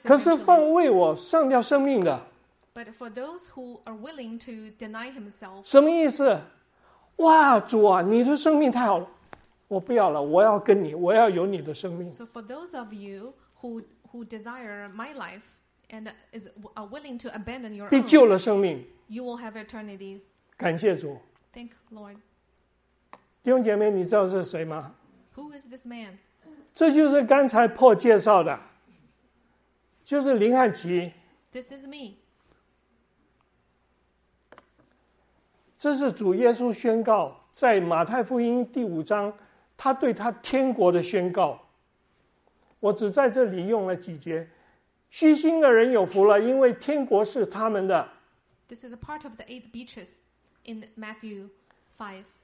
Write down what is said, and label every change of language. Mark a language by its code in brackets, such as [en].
[zh] 可是奉为我丧掉生命的。 [en] But for those who are willing to deny himself. [zh] 什么意思？哇，主啊，你的生命太好了，我不要了，我要跟你，我要有你的生命。 [en] So for those of you who desire my life. And is willing to abandon your own, [zh] 必救了生命 [en] you will have eternity. [zh] 感谢主 [en] Thank Lord. [zh] 弟兄姐妹你知道是谁吗 [en] Who is this man? [zh] 这就是刚才破介绍的就是林汉奇 [en] This is me. [zh] 这是主耶稣宣告在马太福音第五章他对他天国的宣告我只在这里用了几节虚心的人有福了，因为天国是他们的。 [en] This is a part of the eight beaches in Matthew 5:3-6.